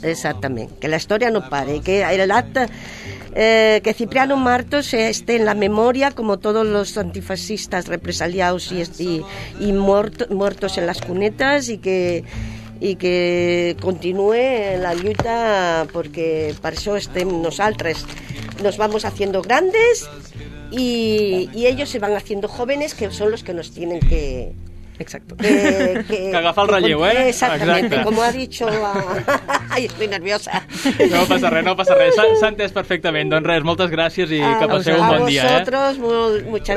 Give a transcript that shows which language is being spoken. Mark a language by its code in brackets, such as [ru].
[ca] Exactament, que la història no pare, que l'acte, que Cipriano Martos esté en la memòria com tots els antifascistes represaliats i morts en les cunetes i que continue la lluita, perquè per això estem nosaltres, [es] nos vamos haciendo grandes [ca] i ells [es] se van haciendo jóvenes, [ca] que són els que [es] nos tienen que... Exacto. [ca] Que agafa el relleu, [es] Exactamente, como ha dicho la... Ay, estoy nerviosa. [ca] No passa res. S'ha entès perfectament. Doncs res, moltes gràcies i que passeu un bon dia. A vosaltres, moltes gràcies.